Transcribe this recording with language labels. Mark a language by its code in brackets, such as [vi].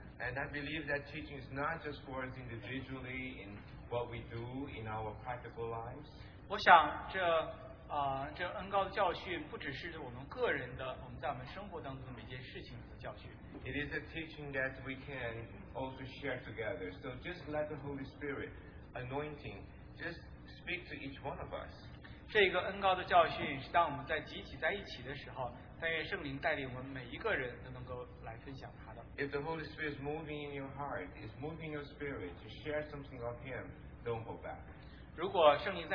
[en] And I believe that teaching is not just for us individually in what we do in our practical lives. [zh] 我想这恩膏的教训不只是我们个人的，我们在我们生活当中的每件事情的教训。It [en] is a teaching that we can also share together. So just let the Holy Spirit anointing just speak to each one of us. [zh] 这个恩膏的教训是当我们在集体在一起的时候，但愿圣灵带领我们每一个人都能够来分享他的。 [en] If the Holy Spirit is moving in your heart, is moving your spirit to share something of Him, don't hold back.